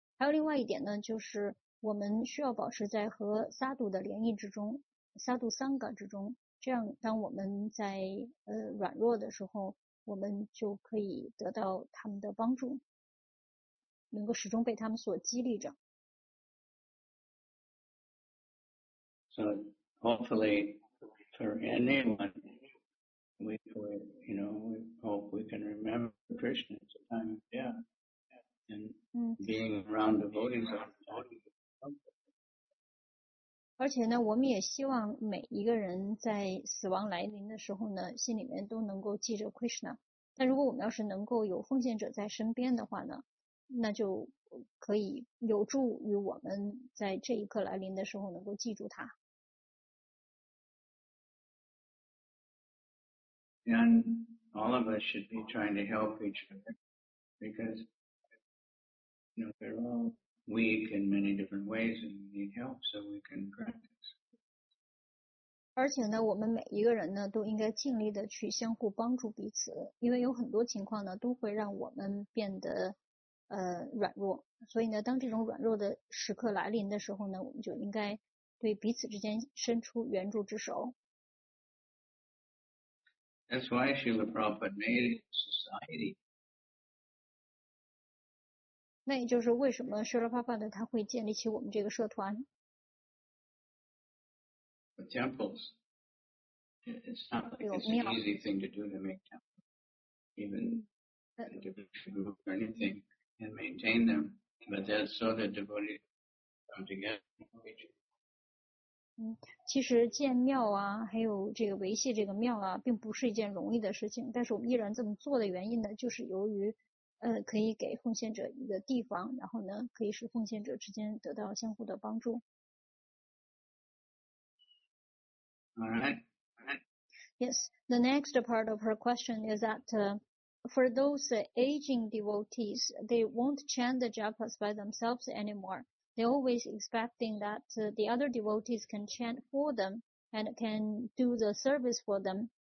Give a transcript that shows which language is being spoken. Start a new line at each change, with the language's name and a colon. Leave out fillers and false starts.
Chinese: 还有另外一点呢就是我们需要保持在和萨杜的联谊之中，萨杜桑嘎之中，这样当我们在软弱的时候我们就可以得到他们的帮助，能够始终被他们所激励着。
English: So hopefully for anyone, we hope we can remember Krishna at the time of death and being around devotees.
Chinese: 而且呢，我们也希望每一个人在死亡来临的时候呢，心里面都能够记着 Krishna。但如果我们要是能够有奉献者在身边的话呢，那就可以有助于我们在这一刻来临的时候能够记住他。
English: And all of us should be trying to help each other because, you know, we're all weak in many different ways and we need help so we can practice.
Chinese: 而且呢，我们每一个人呢都应该尽力的去相互帮助彼此，因为有很多情况呢都会让我们变得软弱，所以呢当这种软弱的时刻来临的时候呢，我们就应该对彼此之间伸出援助之手。
English: That's why Srila Prabhupada made it a society.
Chinese: 那也就是为什么 Srila Prabhupada 他会建立起我们这个社团。
English: The temples. It's not like it's an easy thing to do to make temples. Even to move or anything and maintain them. But that's so that devotees come together.
Chinese: 其实建庙啊，还有这个维系这个庙啊，并不是一件容易的事情。但是我们依然这么做的原因呢，就是由于，可以给奉献者一个地方，然后呢，可以使奉献者之间得到相互的帮助。
English: Alright. Yes, the next part of her question is that, for those aging devotees, they won't chant the japas by themselves anymore. They're always expecting that the other devotees can chant for them and can do the service for them.